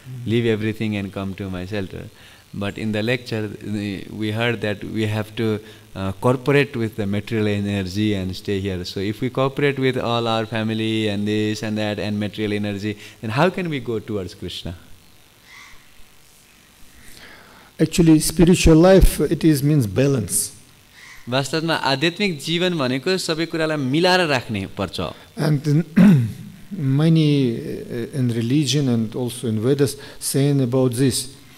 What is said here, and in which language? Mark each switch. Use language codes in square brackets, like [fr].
[en] Leave everything and come to my shelter. But in the lecture, we heard that we have to cooperate with the material energy and stay here. So if we cooperate with all our family and this and that and material energy, then how can we go towards Krishna? Actually, spiritual life, it is means balance. [ne] वास्तवमा आध्यात्मिक जीवन भनेको सबै कुरालाई मिलाएर राख्ने पर्छ. [en] And many in religion and also in Vedas saying about this.